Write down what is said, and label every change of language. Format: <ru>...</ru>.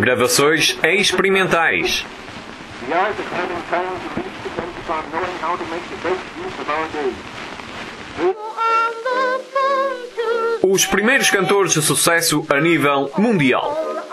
<pt>Gravações experimentais.</pt> <en>The art of having talent to reach depends upon knowing how to make the best use of our days.</en> <pt>Os primeiros cantores de sucesso a nível mundial.</pt>